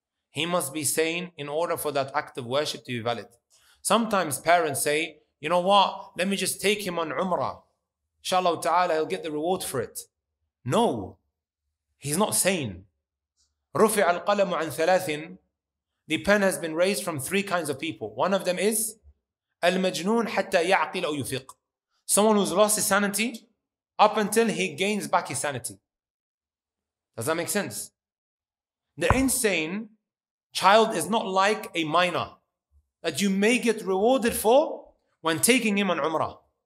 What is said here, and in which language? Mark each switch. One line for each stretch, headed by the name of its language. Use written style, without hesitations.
English: He must be sane in order for that act of worship to be valid. Sometimes parents say, you know what? Let me just take him on umrah. Inshallah ta'ala, he'll get the reward for it. No. He's not sane.
Arabic: رُفِعَ الْقَلَمُ عَنْ ثَلَاثٍ.
English: The pen has been raised from three kinds of people. One of them is
Arabic: الْمَجْنُونَ حَتَّى يَعْقِلَ أَوْ يُفِقْ.
English: Someone who's lost his sanity up until he gains back his sanity. Does that make sense? The insane child is not like a minor that you may get rewarded for when taking him on umrah.